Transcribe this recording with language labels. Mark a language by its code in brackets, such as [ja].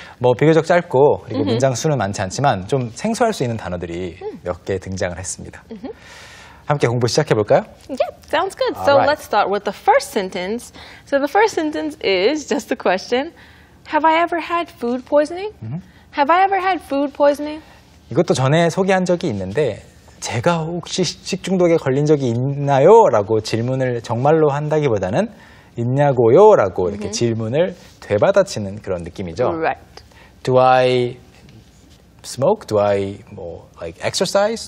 [ko] 뭐 비교적 짧고 그리고 문장 수는 많지 않지만 좀 생소할 수 있는 단어들이 몇 개 등장을 했습니다. 함께 공부 시작해 볼까요? [en] Yep, sounds good. So right. let's start with the first sentence. So the first sentence is just a question. Have I ever had food poisoning? Have I ever had food poisoning? [ko] 이것도 전에 소개한 적이 있는데 제가 혹시 식중독에 걸린 적이 있나요? 라고 질문을 정말로 한다기보다는 있냐고요? 라고 이렇게 질문을 되받아치는 그런 느낌이죠. [en] Right. Do I smoke? Do I like exercise?